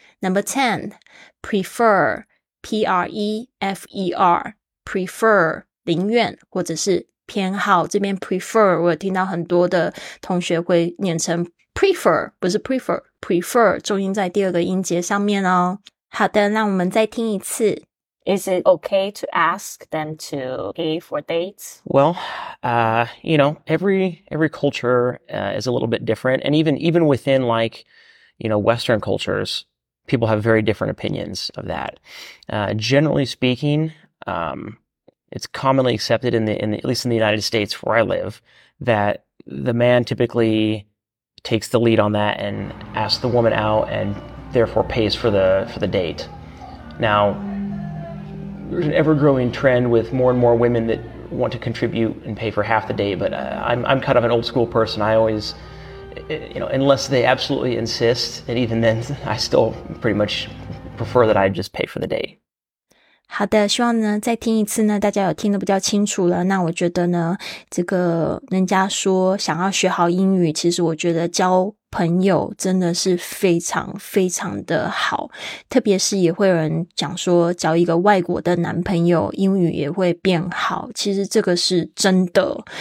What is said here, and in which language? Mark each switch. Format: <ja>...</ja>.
<en>Number 10, prefer, P-R-E-F-E-R, prefer,</en> <zh>宁愿或者是偏好，这边 prefer, 我有听到很多的同学会念成 prefer, 不是 prefer, prefer, 重音在第二个音节上面哦。好的，那我们再听一次。</zh> <en>Is it okay to ask them to pay for dates? Well, you know, every culture is a little bit different. And even within, like, you know, Western cultures, people have very different opinions of that. Generally speaking, it's commonly accepted in the, at least in the United States where I live, that the man typically takes the lead on that and asks the woman out and therefore pays for the date. Now,there's an ever-growing trend with more and more women that want to contribute and pay for half the date, but I'm kind of an old-school person. I always, you know, unless they absolutely insist, and even then, I still pretty much prefer that I just pay for the date.</en> <zh>好的，希望呢再听一次呢，大家有听得比较清楚了。那我觉得呢，这个人家说想要学好英语，其实我觉得交朋友真的是非常非常的好，特别是也会有人讲说交一个外国的男朋友英语也会变好，其实这个是真的。</zh>